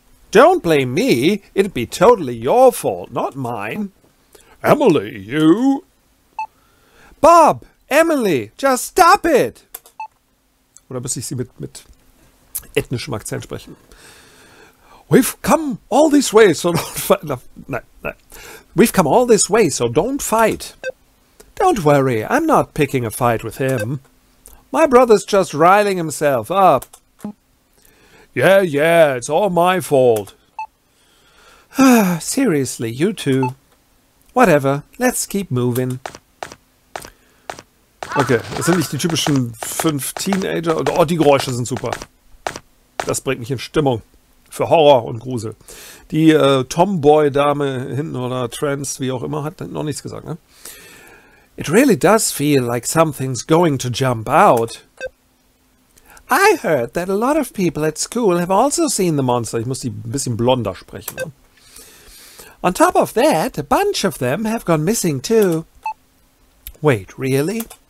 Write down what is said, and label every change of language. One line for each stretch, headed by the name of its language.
English: Don't blame me. It'd be totally your fault, not mine. Emily, you... Bob, Emily, just stop it.
German: Oder muss ich sie mit ethnischem Akzent sprechen?
English: We've come all this way, so don't fight.
German: Nein.
English: We've come all this way, so don't fight. Don't worry, I'm not picking a fight with him. My brother's just riling himself up. Yeah, it's all my fault. Seriously, you two. Whatever, let's keep moving.
German: Okay, das sind nicht die typischen 5 Teenager. Oh, die Geräusche sind super. Das bringt mich in Stimmung. Für Horror und Grusel. Die Tomboy-Dame hinten oder Trans, wie auch immer, hat noch nichts gesagt, ne?
English: It really does feel like something's going to jump out. I heard that a lot of people at school have also seen the monster.
German: Ich muss die ein bisschen blonder sprechen. Ne?
English: On top of that, a bunch of them have gone missing too. Wait, really?